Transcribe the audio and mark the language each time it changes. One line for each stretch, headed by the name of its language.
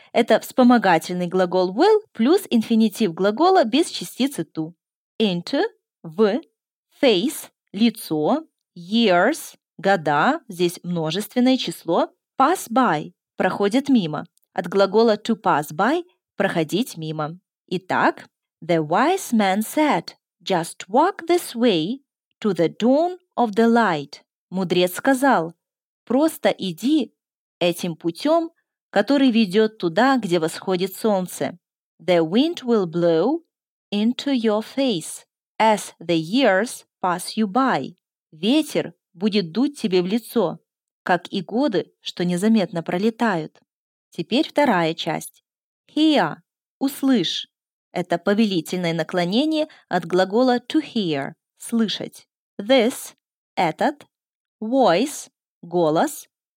Russian: Это вспомогательный глагол will плюс инфинитив глагола без частицы to. Into – в. Face – лицо, years – года, здесь множественное число, pass by – проходит мимо, от глагола to pass by – проходить мимо.
English: Итак, the wise man said, just walk this way to the dawn of the light.
Russian: Мудрец сказал, просто иди этим путем, который ведет туда, где восходит солнце.
English: The wind will blow into your face as the years pass you by.
Russian: Ветер будет дуть тебе в лицо, как и годы, что незаметно пролетают. Теперь вторая часть. Hear – услышь. Это повелительное наклонение от глагола to hear – слышать. This – этот. Voice – голос.